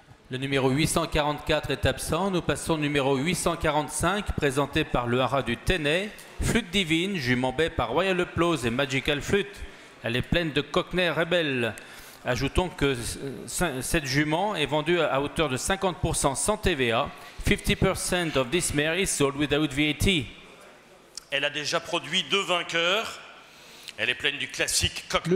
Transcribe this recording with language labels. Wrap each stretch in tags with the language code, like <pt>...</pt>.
<fr>Le numéro 844 est absent. Nous passons au numéro 845, présenté par le haras du Tenet. Flûte divine, jument bay par Royal Applause et Magical Flute. Elle est pleine de Cockney Rebel. Ajoutons que cette jument est vendue à hauteur de 50% sans TVA.</fr> <en>50% of this mare is sold without VAT.</en> <fr>Elle a déjà produit deux vainqueurs. Elle est pleine du classique Cockney.</fr>